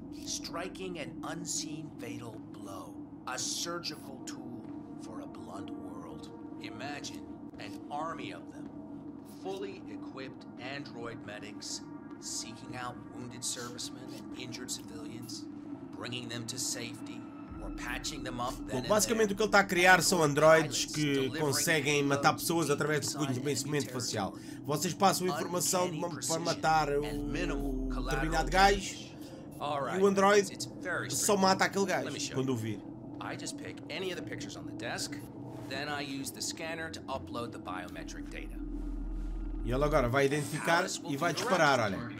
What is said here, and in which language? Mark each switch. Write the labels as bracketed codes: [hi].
[en] Striking an unseen fatal blow. A surgical tool for a blunt world. Imagine an army of them. Fully equipped android medics seeking out wounded servicemen and injured civilians, bringing them to safety. [pt] Bom, basicamente o que ele está a criar são androides que conseguem matar pessoas através de reconhecimento facial. Vocês passam a informação para matar um determinado gajo e o android só mata aquele gajo quando o vir. [en] I just pick any of the pictures on the desk, then I use the scanner to upload the biometric data. [pt] E ele agora vai identificar e vai disparar, olha.